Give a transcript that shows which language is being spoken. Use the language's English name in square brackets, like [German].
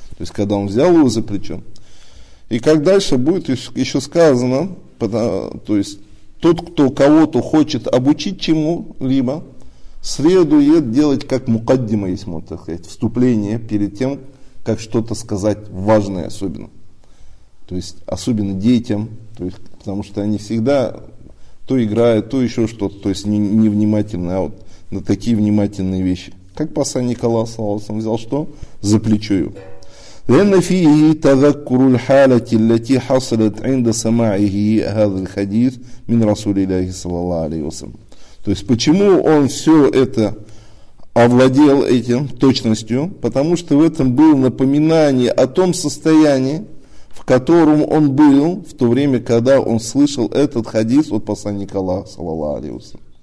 [Russian] То есть, когда он взял его за плечо. И как дальше будет еще сказано, то есть, тот, кто кого-то хочет обучить чему-либо, следует делать как мукаддима, если можно так сказать, вступление перед тем, как что-то сказать важное особенно. То есть, особенно детям, то есть, потому что они всегда то играют, то еще что-то, то есть, невнимательные, а вот на такие внимательные вещи. Как посланник Аллаха, саллаллаху алейхи вассалям, взял что? За плечо его. [Arabic] لأن فيه تذكر الحالة التي حصلت عند سماعه هذا الحديث من رسول الله صلى الله عليه وسلم. [Russian] То есть почему он все это овладел этим точностью? Потому что в этом было напоминание о том состоянии, в котором он был в то время, когда он слышал этот хадис от посланника Аллаха [Arabic] صلى الله عليه وسلم.